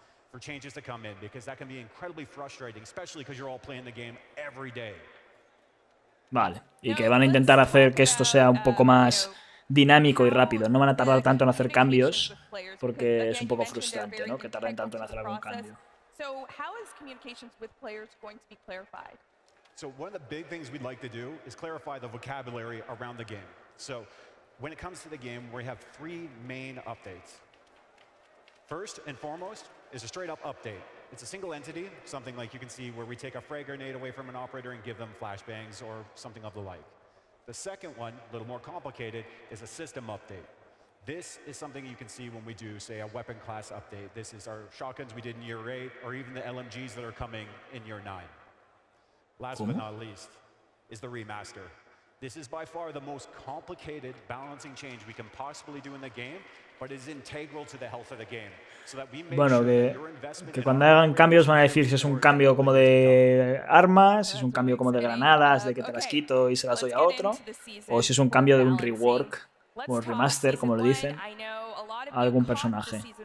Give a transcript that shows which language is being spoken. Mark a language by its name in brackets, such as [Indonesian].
[English] For changes to come in, because that can be incredibly frustrating, especially because you're all playing the game every day. [Spanish] Vale, y que van a intentar hacer que esto sea un poco más dinámico y rápido. No van a tardar tanto en hacer cambios, porque es un poco frustrante, ¿no? Que tarden tanto en hacer algún cambio. [English] So, how is communications with players going to be clarified? So, one of the big things we'd like to do is clarify the vocabulary around the game. So, when it comes to the game, we have three main updates. First and foremost is a straight up update. It's a single entity, something like you can see where we take a frag grenade away from an operator and give them flashbangs or something of the like. The second one, a little more complicated, is a system update. This is something you can see when we do, say, a weapon class update. This is our shotguns we did in year 8 or even the LMGs that are coming in year 9. Last but not least is the remaster. This is by far the most complicated balancing change we can possibly do in the game. But it is integral to the health of the game. So that we make [Spanish] bueno, que cuando hagan cambios van a decir si es un cambio como de armas, si es un cambio como de granadas, de que te las quito y se las doy a otro, o si es un cambio de un rework, o un remaster, como lo dicen, a algún personaje.